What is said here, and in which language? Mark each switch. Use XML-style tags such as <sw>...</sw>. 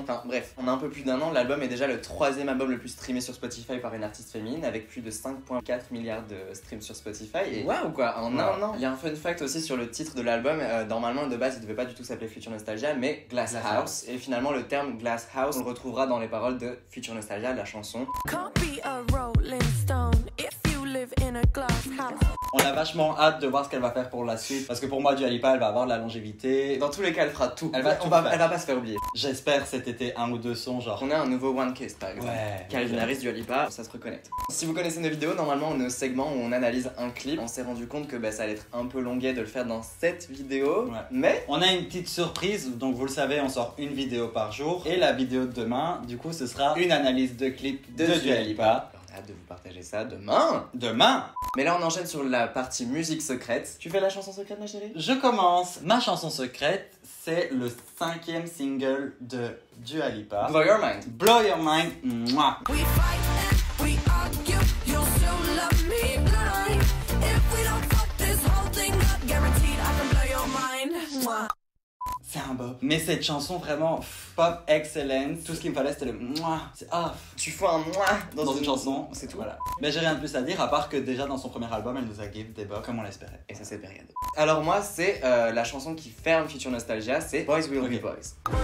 <fr>Enfin bref, on a un peu plus d'un an, l'album est déjà le troisième album le plus streamé sur Spotify par une artiste féminine, avec plus de 5,4 milliards de streams sur Spotify. Et waouh quoi, en un an. Il y a un fun fact aussi sur le titre de l'album, normalement de base il devait pas du tout s'appeler Future Nostalgia, mais Glass House. Et finalement le terme Glass House, on le retrouvera dans les paroles de Future Nostalgia, la chanson.</fr> <en>Can't be a rolling stone if you live in a glass house.</en> <fr>On a vachement hâte de voir ce qu'elle va faire pour la suite. Parce que pour moi, Dua Lipa, elle va avoir de la longévité. Dans tous les cas, elle fera tout. Elle va pas se faire oublier. J'espère cet été un ou deux sons, genre. On a un nouveau One Kiss, par exemple. Ouais. Calvin Harris, Dua Lipa, ça se reconnaît. Si vous connaissez nos vidéos, normalement, on est au segment où on analyse un clip. On s'est rendu compte que ça allait être un peu longuet de le faire dans cette vidéo. Ouais. Mais on a une petite surprise. Donc, vous le savez, on sort une vidéo par jour. Et la vidéo de demain, du coup, ce sera une analyse de clip de Dua Lipa. De vous partager ça demain. Demain. Mais là on enchaîne sur la partie musique secrète. Tu fais la chanson secrète ma chérie? Je commence. Ma chanson secrète, c'est le 5e single de Dua Lipa. Blow Your Mind.</fr> <en>Blow Your Mind. Mouah. We fight and we argue. You'll still love me blind. If we don't fuck this whole thing up, guaranteed I can blow your mind. Mouah.</en> <fr>c'est un bop. Mais cette chanson vraiment pop excellente. Tout ce qu'il me fallait c'était le mouah. C'est off. Tu fais un mouah dans une chanson, c'est tout. Voilà. Mais j'ai rien de plus à dire à part que déjà dans son premier album elle nous a give des bops comme on l'espérait. Et ça c'est période. Alors moi c'est la chanson qui ferme Future Nostalgia, c'est Boys Will Be Boys.</fr>